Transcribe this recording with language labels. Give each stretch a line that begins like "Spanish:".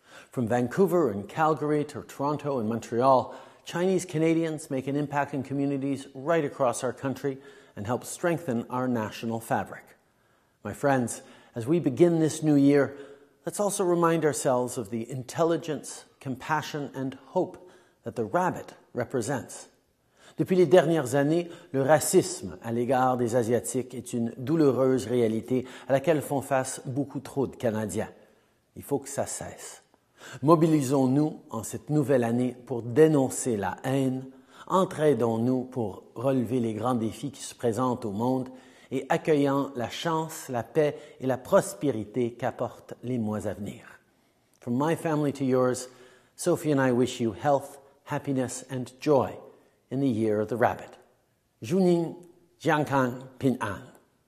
English: From Vancouver and Calgary to Toronto and Montreal, Chinese Canadians make an impact in communities right across our country and help strengthen our national fabric. My friends, as we begin this new year, let's also remind ourselves of the intelligence, compassion, and hope that the rabbit represents.
French: Depuis les dernières années, le racisme à l'égard des Asiatiques est une douloureuse réalité à laquelle font face beaucoup trop de Canadiens. Il faut que ça cesse. Mobilisons-nous en cette nouvelle année pour dénoncer la haine, entraînons-nous pour relever les grands défis qui se présentent au monde et accueillons la chance, la paix et la prospérité qu'apportent les mois à venir.
English: From my family to yours, Sophie and I wish you health, happiness and joy in the year of the rabbit.
Chinese: Zhu Ning, Jiang Kang, Ping An.